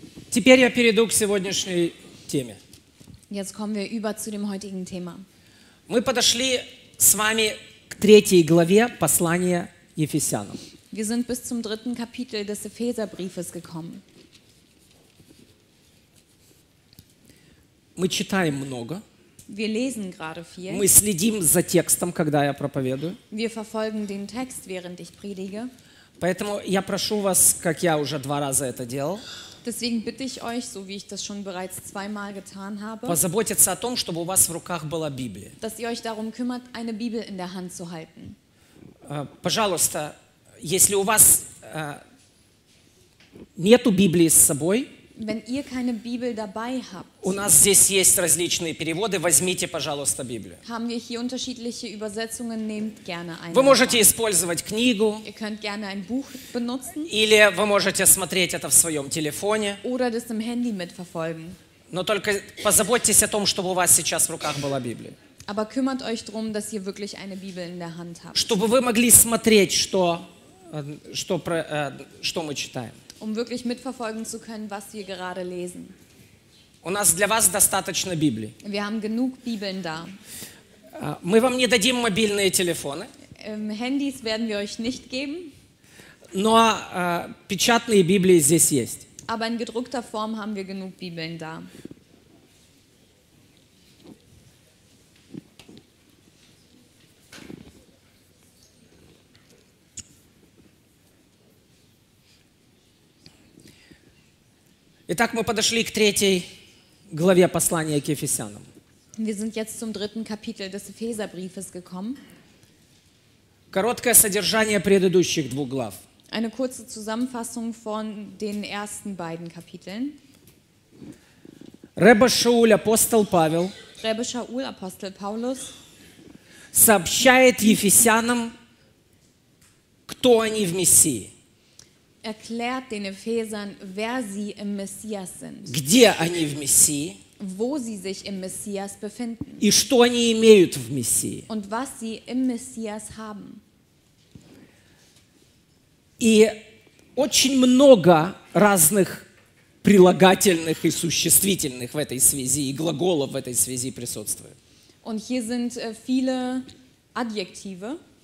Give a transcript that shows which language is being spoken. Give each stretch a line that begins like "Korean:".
Russian: Теперь я перейду к сегодняшней теме.
German: Jetzt kommen wir über zu dem heutigen Thema.
Russian: Мы подошли с вами к третьей главе послания Ефесянам.
German: Wir sind bis zum dritten Kapitel des Epheserbriefes gekommen.
Russian: Мы читаем много.
German: Wir lesen gerade viel.
Russian: Мы следим за текстом, когда я проповедую.
German: Wir verfolgen den Text, während ich predige.
Russian: Поэтому я прошу вас, как я уже два раза это делал.
German: Deswegen bitte ich euch, so wie ich das schon bereits zweimal getan habe,
Russian: позаботиться о том, чтобы у вас в руках была Библия.
German: Dass ihr euch darum kümmert, eine Bibel in der Hand zu halten.
Russian: Пожалуйста, если у вас нету Библии с собой,
German: wenn ihr keine Bibel dabei habt,
Russian: у нас здесь есть различные переводы, возьмите, пожалуйста, Библию.
German: Haben wir hier unterschiedliche Übersetzungen, nehmt gerne eine.
Russian: Вы можете использовать книгу.
German: Ihr könnt gerne ein Buch benutzen.
Russian: Или вы можете смотреть это в своем телефоне.
German: Oder das im Handy mitverfolgen.
Russian: Но только позаботьтесь о том, чтобы у вас сейчас в руках была Библия.
German: Aber kümmert euch drum, dass ihr wirklich eine Bibel in der Hand habt.
Russian: Чтобы вы могли смотреть, что мы читаем.
German: Um wirklich mitverfolgen zu können, was wir gerade lesen.
Russian: У нас для вас достаточно Библии.
German: Wir haben genug Bibeln da.
Russian: Мы вам не дадим мобильные телефоны.
German: Handys werden wir euch nicht geben.
Russian: Но печатные Библии здесь есть.
German: Aber in gedruckter Form haben wir genug Bibeln da.
Russian: Итак, мы подошли к третьей главе послания к Ефесянам.
German: Wir sind jetzt zum dritten Kapitel des Epheserbriefes gekommen.
Russian: Короткое содержание предыдущих двух глав.
German: Eine kurze Zusammenfassung von den ersten beiden Kapiteln.
Russian: Ребе Шауль, апостол Павел,
German: Ребе Шауль, апостол Паулус,
Russian: сообщает Ефесянам, кто они в Мессии.
German: Erklärt den Ephesern, wer sie im Messias sind.
Russian: Где они в Мессии?
German: Wo sie sich im Messias befinden.
Russian: И что они имеют в Мессии?
German: Und was sie im Messias haben.
Russian: И очень много разных прилагательных и существительных в этой связи, и глаголов в этой связи присутствует.
German: Und hier sind viele Adjektive.